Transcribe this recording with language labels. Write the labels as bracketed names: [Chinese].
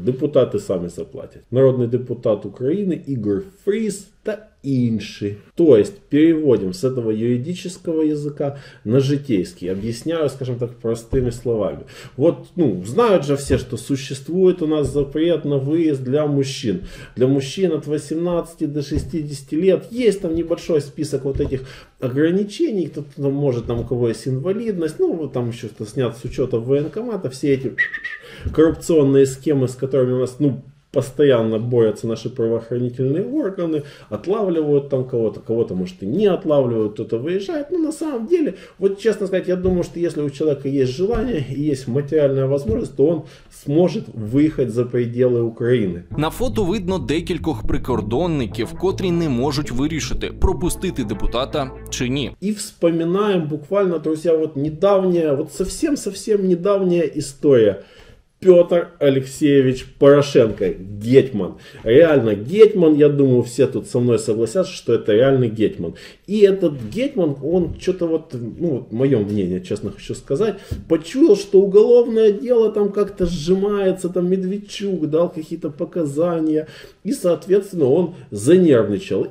[Ukrainian] Депутати самі заплатять. Народний депутат України Ігор Фріс та інші. Тобто, переводимо з цього юридичного язика на житейський. Об'ясняю, [Russian] скажем так, [Ukrainian] простими словами. От, ну, знають же всі, що существує у нас запрет на виїзд для мужчин. [Russian] Для мужчин от 18 до 60 лет. Є там небольшой список от этих ограничений, кто-то может там у кого есть инвалидность, ну, там еще что-то снят с учета военкомата, все эти коррупционные схемы, с которыми у нас, ну, постоянно борются наши правоохранительные органы, отлавливают там кого-то, кого-то, может, и не отлавливают, кто-то выезжает. Но на самом деле, вот честно сказать, я думаю, что если у человека есть желание и есть материальная возможность, то он сможет выехать за пределы Украины. [Ukrainian] На фото видно декількох прикордонників, котрі не можуть вирішити, пропустити депутата чи ні. [Russian] И вспоминаем буквально, друзья, вот недавняя, вот совсем-совсем недавняя история. Петр Алексеевич Порошенко, гетьман. Реально гетьман, я думаю, все тут со мной согласятся, что это реальный гетьман. И этот гетьман, он что-то вот, ну вот мое мнение, честно хочу сказать, почуял, что уголовное дело там как-то сжимается, там Медведчук дал какие-то показания, и, соответственно, он занервничал.